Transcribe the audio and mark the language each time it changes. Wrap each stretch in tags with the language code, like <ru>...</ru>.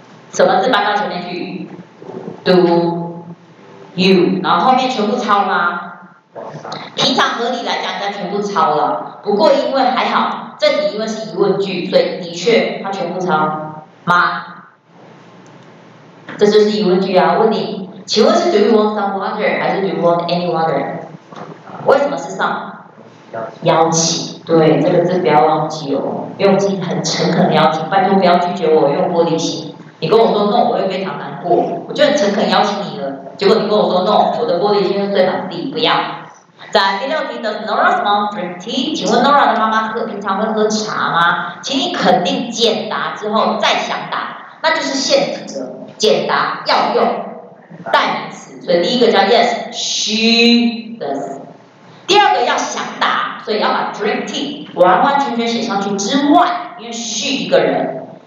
<zh>什么字搬到前面去 ？</zh> <en>Do you，</en> <zh>然后后面全部抄吗？平常合理来讲，应该全部抄了。不过因为还好，这题因为是疑问句，所以的确它全部抄吗？这就是疑问句啊！</zh> <en>问你，</en> <zh>请问是</zh> <en>Do you want some water</en> <zh>还是</zh> <en>Do you want any water？</en> <zh>为什么是 some？ 邀请。对，这个字不要忘记哦，用尽很诚恳的邀请，拜托不要拒绝我，用玻璃心。你跟我说 no， 我会非常难过。我就很诚恳邀请你了，结果你跟我说 no， 我的玻璃心就碎满地，不要。在第六题</zh> <en>，Does Nora's mom drink tea？</en> <zh>请问 Nora 的妈妈平常会喝茶吗？请你肯定简答之后再想答，那就是现成的简答要用代名词，所以第一个叫</zh> <en>yes， she does。</en> <zh>第二个要想答，所以要把 drink tea 完完全全写上去之外，因为 she 一个人。</zh>